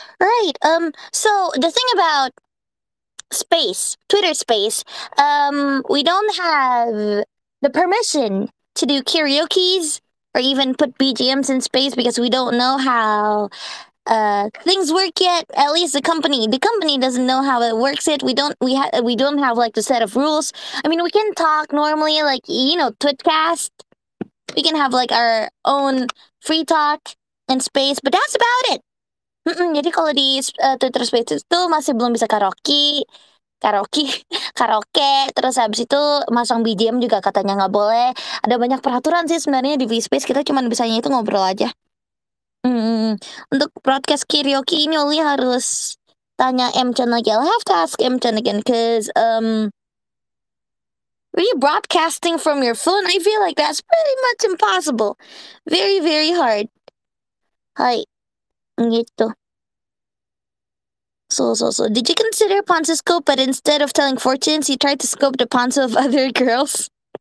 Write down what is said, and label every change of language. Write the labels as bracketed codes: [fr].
[en] Right, so the thing about space, Twitter space, we don't have the permission to do karaoke's or even put BGMs in space because we don't know how things work yet. At least the company doesn't know how it works yet. We don't have like the set of rules. I mean, we can talk normally, like, you know, Twitcast. We can have like our own free talk in space, but that's about it. [id] Jadi kalau di Twitter Spaces itu masih belum bisa karaoke, terus habis itu masang BGM juga katanya nggak boleh. Ada banyak peraturan sih sebenarnya di VSpace, kita cuma bisanya itu ngobrol aja. Untuk broadcast karaoke ini Oli harus tanya M-chan lagi. [en] I'll have to ask M-chan again, because rebroadcasting from your phone, I feel like that's pretty much impossible. Very, very hard. Hai. Gitu. So. Did you consider Ponzo scope, but instead of telling fortunes, you tried to scope the Ponzo of other girls?